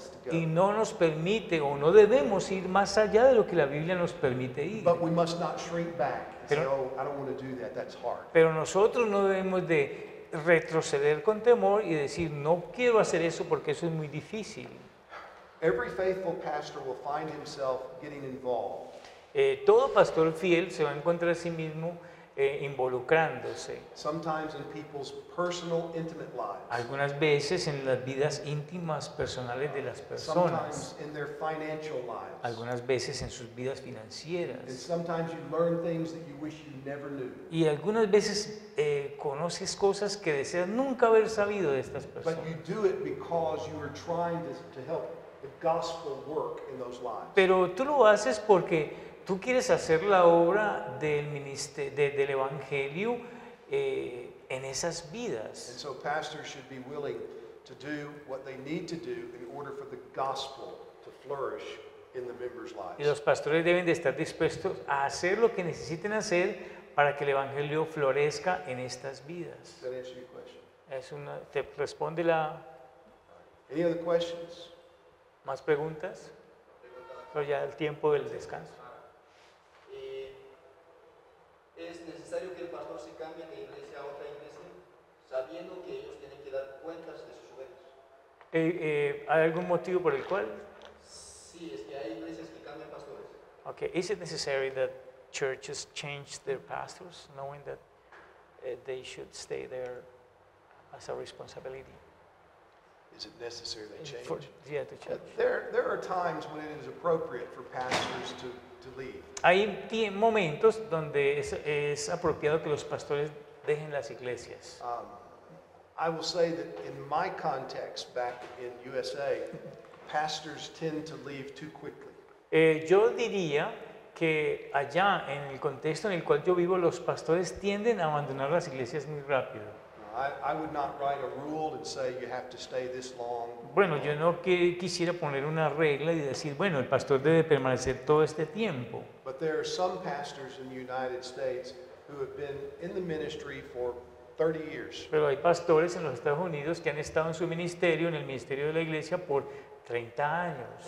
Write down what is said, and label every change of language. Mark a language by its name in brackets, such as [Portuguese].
[Spanish] Y no nos permite o no debemos ir más allá de lo que la Biblia nos permite ir. [English] But we must not shrink back and say, oh, I don't want to do that. That's hard. [Spanish] Pero nosotros no debemos de retroceder con temor y decir, no quiero hacer eso porque eso es muy difícil. [English] Every faithful pastor will find himself getting involved. [Spanish] Todo pastor fiel se va a encontrar a sí mismo involucrándose. [English] Sometimes in people's personal intimate lives. [Spanish] Algunas veces en las vidas íntimas personales de las personas. [English] Sometimes in their financial lives. [Spanish] Algunas veces en sus vidas financieras. [English] And sometimes you learn things that you wish you never knew. [Spanish] Y algunas veces conoces cosas que deseas nunca haber sabido de estas personas. [English] But you do it because you are trying to help the gospel work in those lives. [Spanish] Pero tú lo haces porque tú quieres hacer la obra del ministerio, del evangelio en esas vidas. [English] And so pastors should be willing to do what they need to do in order for the gospel to flourish in the members' lives. [Spanish] Y los pastores deben de estar dispuestos a hacer lo que necesiten hacer para que el evangelio florezca en estas vidas. [English] Does that answer your question? [Spanish] Es una, te responde la. [English] Any other questions? [Spanish] ¿Más preguntas? Pero ya el tiempo del descanso. ¿Es necesario que el pastor se cambie de iglesia a otra iglesia sabiendo que ellos tienen que dar cuentas de sus ovejas? ¿Hay algún motivo por el cual? Sí, es que hay iglesias que cambian pastores. [English] Okay, is it necessary that churches change their pastors knowing that they should stay there as a responsibility? Is it necessary they change? To change. There are times when it is appropriate for pastors to leave. [Spanish] Hay momentos donde es apropiado que los pastores dejen las iglesias. [English] I will say that in my context back in USA, pastors tend to leave too quickly. [Spanish] Yo diría que allá en el contexto en el cual yo vivo, los pastores tienden a abandonar las iglesias muy rápido. [English] I would not write a rule and say you have to stay this long. [Spanish] Bueno, yo no quisiera poner una regla y decir, bueno, el pastor debe permanecer todo este tiempo. [English] But there are some pastors in the United States who have been in the ministry for 30 years. [Spanish] Pero hay pastores en los Estados Unidos que han estado en su ministerio, en el ministerio de la iglesia por 30 años.